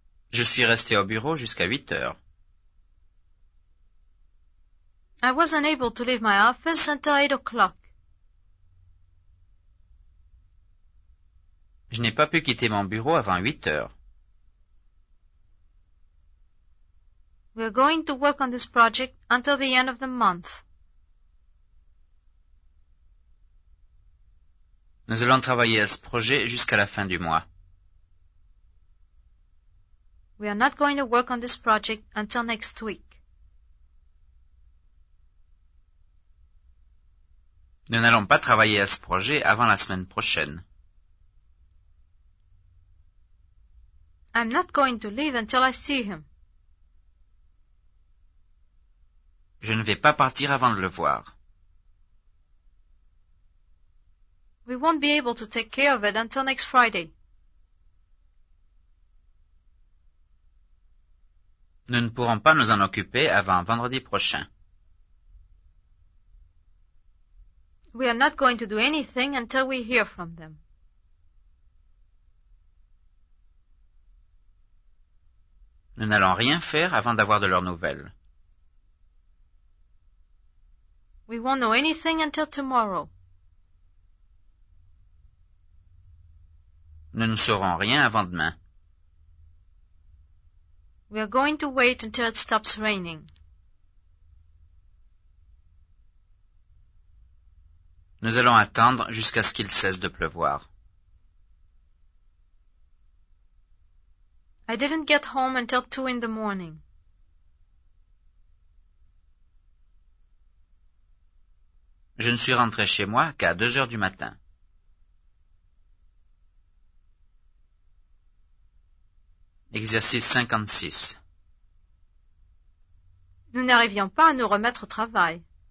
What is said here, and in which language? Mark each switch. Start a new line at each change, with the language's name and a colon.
French: Je suis resté au bureau jusqu'à 8 heures.
English: I wasn't able to leave my office until 8 o'clock.
French: Je n'ai pas pu quitter mon bureau avant 8 heures.
English: We are going to work on this project until the end of the month.
French: Nous allons travailler à ce projet jusqu'à la fin du mois.
English: We are not going to work on this project until next week.
French: Nous n'allons pas travailler à ce projet avant la semaine prochaine.
English: I'm not going to leave until I see him.
French: Je ne vais pas partir avant de le voir.
English: We won't be able to take care of it until next Friday.
French: Nous ne pourrons pas nous en occuper avant vendredi prochain.
English: We are not going to do anything until we hear from them.
French: Nous n'allons rien faire avant d'avoir de leurs nouvelles.
English: We won't know anything until tomorrow.
French: Nous ne saurons rien avant demain.
English: We are going to wait until it stops raining.
French: Nous allons attendre jusqu'à ce qu'il cesse de pleuvoir.
English: I didn't get home until 2 in the morning.
French: Je ne suis rentré chez moi qu'à 2 heures du matin. Exercice 56. Nous n'arrivions pas à nous remettre au travail.